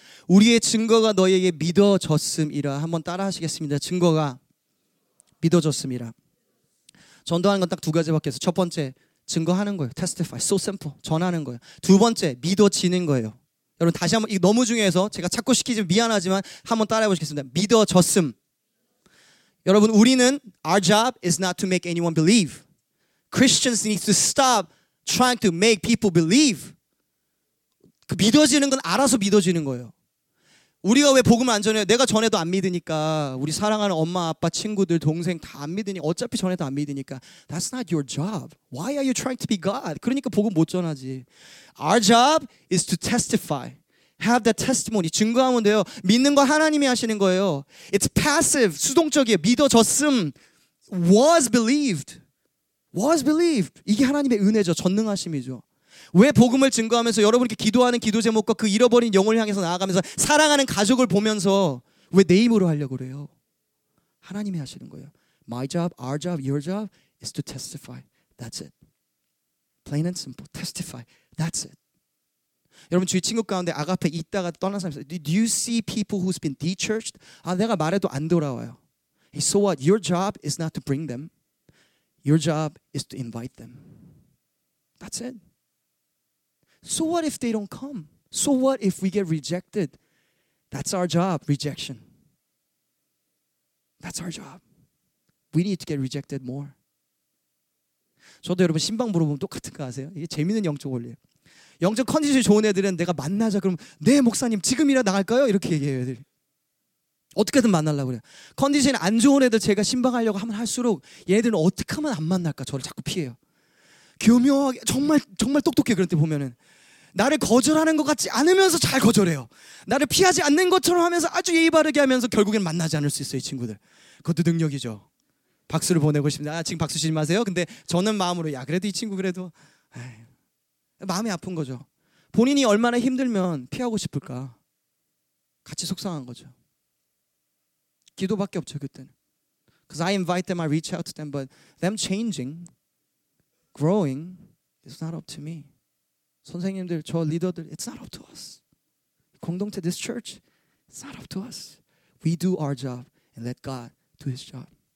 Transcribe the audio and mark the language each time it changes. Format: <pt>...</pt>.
<ko>우리의 증거가 너에게 믿어졌음이라. 한번 따라 하시겠습니다. 증거가 믿어졌음이라. 전도하는 건 딱 두 가지밖에 없어요. 첫 번째, 증거하는 거예요.</ko> <en>Testify, so simple.</en> <ko>전하는 거예요. 두 번째, 믿어지는 거예요. 여러분 다시 한번, 이거 너무 중요해서 제가 찾고 시키지 미안하지만 한번 따라해 보시겠습니다. 믿어졌음. 여러분 우리는</ko> <en>our job is not to make anyone believe. Christians need to stop trying to make people believe.</en> <ko>그 믿어지는 건 알아서 믿어지는 거예요. 우리가 왜 복음을 안 전해요? 내가 전해도 안 믿으니까 우리 사랑하는 엄마, 아빠, 친구들, 동생 다 안 믿으니 어차피 전해도 안 믿으니까</ko> <en>That's not your job. Why are you trying to be God?</en> <ko>그러니까 복음 못 전하지.</ko> <en>Our job is to testify. Have that testimony.</en> <ko>증거하면 돼요. 믿는 거 하나님이 하시는 거예요.</ko> <en>It's passive.</en> <ko>수동적이에요. 믿어졌음.</ko> <en>Was believed. Was believed.</en> <ko>이게 하나님의 은혜죠. 전능하심이죠. 왜 복음을 증거하면서 여러분께 기도하는 기도 제목과 그 잃어버린 영혼을 향해서 나아가면서 사랑하는 가족을 보면서 왜 내 힘으로 하려고 그래요? 하나님이 하시는 거예요.</ko> <en>My job, our job, your job is to testify. That's it. Plain and simple. Testify. That's it.</en> <ko>여러분 주위 친구 가운데 아가페 있다가 떠난 사람 있어요.</ko> <en>Do you see people who's been de-churched?</en> <ko>아, 내가 말해도 안 돌아와요.</ko> <en>So what? Your job is not to bring them. Your job is to invite them. That's it. So what if they don't come? So what if we get rejected? That's our job, rejection. That's our job. We need to get rejected more.</en> <ko>저도 여러분 신방 물어보면 똑같은 거 아세요? 이게 재밌는 영적 원리예요. 영적 컨디션이 좋은 애들은 내가 만나자 그러면 네 목사님 지금이라 나갈까요? 이렇게 얘기해요 애들이. 어떻게든 만나려고 그래요. 컨디션이 안 좋은 애들 제가 신방하려고 하면 할수록 얘들은 어떻게 하면 안 만날까 저를 자꾸 피해요. 교묘하게 정말 정말 똑똑해. 그런 때 보면은 나를 거절하는 것 같지 않으면서 잘 거절해요. 나를 피하지 않는 것처럼 하면서 아주 예의 바르게 하면서 결국엔 만나지 않을 수 있어요 이 친구들. 그것도 능력이죠. 박수를 보내고 싶네요. 아, 지금 박수 치지 마세요. 근데 저는 마음으로 야 그래도 이 친구 그래도 마음이 아픈 거죠. 본인이 얼마나 힘들면 피하고 싶을까. 같이 속상한 거죠. 기도밖에 없죠 그때는.</ko> <en>Because I invite them, I reach out to them, but them changing, growing is not up to me.</en> <ko>선생님들, 저 리더들,</ko> <en>it's not up to us.</en> <ko>공동체,</ko> <en>this church, it's not up to us. We do our job and let God do his job.</en>